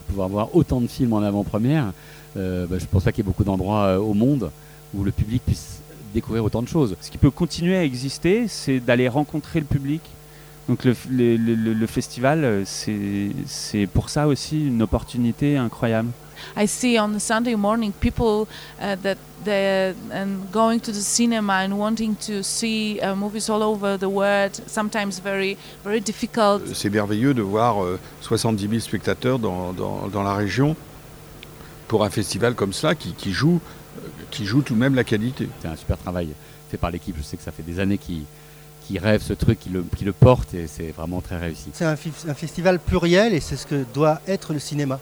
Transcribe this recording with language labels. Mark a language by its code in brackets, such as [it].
[fr] Pouvoir voir autant de films en avant-première, je pense pas qu'il y ait beaucoup d'endroits au monde où le public puisse découvrir autant de choses. Ce qui peut continuer à exister, c'est d'aller rencontrer le public. Donc le festival, c'est pour ça aussi une opportunité incroyable. [en] I see on the Sunday morning people that they're going to the cinema and wanting to see movies all over the world, sometimes very, very difficult. [fr] C'est merveilleux de voir 70 000 spectateurs dans la région pour un festival comme cela qui joue tout de même la qualité. C'est un super travail fait par l'équipe, je sais que ça fait des années qui rêve ce truc, qui le porte, et c'est vraiment très réussi. C'est un festival pluriel et c'est ce que doit être le cinéma.